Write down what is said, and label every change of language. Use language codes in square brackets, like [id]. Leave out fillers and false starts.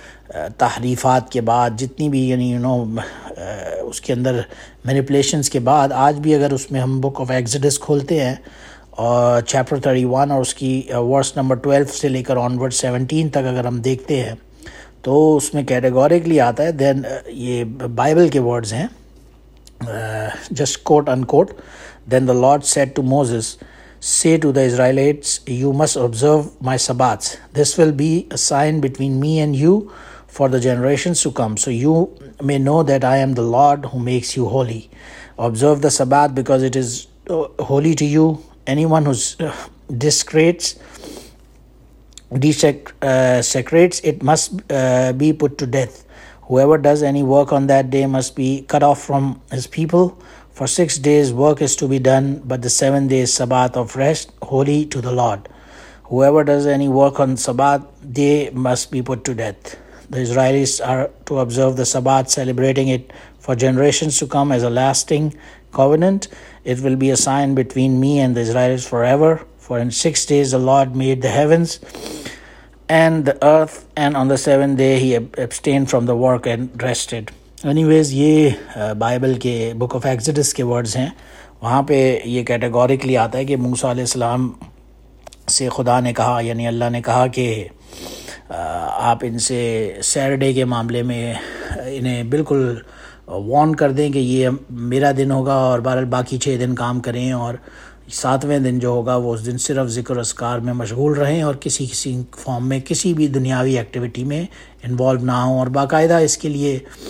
[hi] तहरीफात के बाद जितनी भी यानी [en] you know [hi] उसके अंदर मैनिपुलेशंस के बाद आज भी अगर उसमें हम बुक ऑफ एग्जोडस खोलते हैं और चैप्टर 31 और उसकी वर्स नंबर 12 से लेकर ऑनवर्ड 17 तक अगर हम देखते हैं तो उसमें कैटेगोरिकली आता है देन ये बाइबल के वर्ड्स हैं just quote unquote [en] Then the Lord said to Moses say to the Israelites, you must observe my Sabbaths. This will be a sign between me and you for the generations to come, so you may know that I am the Lord who makes you holy. Observe the Sabbath because it is holy to you. Anyone who desecrates it must be put to death. Whoever does any work on that day must be cut off from his people. For 6 days work is to be done, but the 7 day is Sabbath of rest, holy to the Lord. Whoever does any work on Sabbath day must be put to death. The Israelites are to observe the Sabbath, celebrating it for generations to come as a lasting covenant. It will be a sign between me and the Israelites forever. For in 6 days the Lord made the heavens and the earth, and on the 7th day he abstained from the work and rested. [hi] Anyways ये Bible के book of exodus के words हैं, वहाँ पे ये categorically आता है कि मूसा अलैहिस्सलाम से खुदा ने कहा, यानी अल्लाह ने कहा कि आप इनसे सैटरडे के मामले में इन्हें बिल्कुल वार्न कर दें कि ये मेरा दिन होगा, और बहरहाल बाकी 6 दिन काम करें, और 7th दिन जो होगा वो उस दिन सिर्फ जिक्र अस्कार में मशगूल रहें और किसी किसी फॉर्म में किसी भी दुनियावी एक्टिविटी में इन्वॉल्व ना हों, और बाकायदा इसके लिए